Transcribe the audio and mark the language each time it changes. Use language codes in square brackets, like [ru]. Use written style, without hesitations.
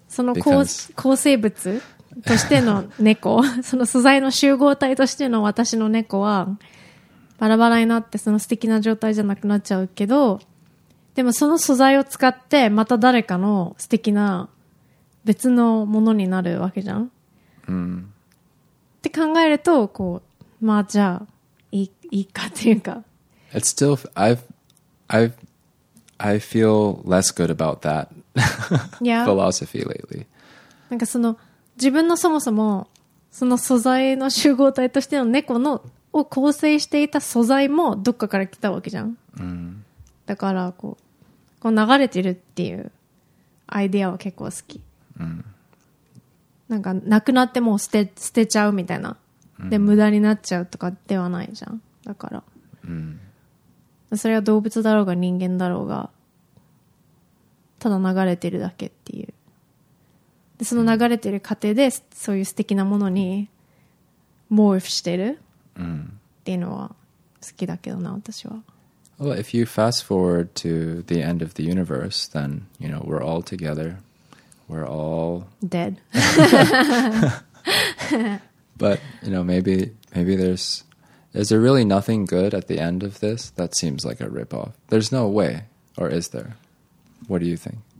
[ja] その構成物としての猫、その素材の集合体としての私の猫は、バラバラになってその素敵な状態じゃなくなっちゃうけど、でもその素材を使ってまた誰かの素敵な別のものになるわけじゃん。って考えるとこう、まあじゃあいいかっていうか。 [en] It's still I feel less good about that philosophy lately. [ja] なんかその自分のそもそもその素材の集合体としての猫のを構成していた素材もどっかから来たわけじゃん。だからこう流れてるっていうアイデアは結構好き。なんかなくなっても捨てちゃうみたいな。で無駄になっちゃうとかではないじゃん。だから。それは動物だろうが人間だろうが、ただ流れてるだけっていう。でその流れてる過程でそういう素敵なものにモーフしてる。っていうのは好きだけどな、私は。 [en] Well, if you fast forward to the end of the universe, then, you know, we're all together. We're all dead. But, you know, maybe there's... Is there really nothing good at the end of this? That seems like a ripoff. There's no way. Or is there? What do you think?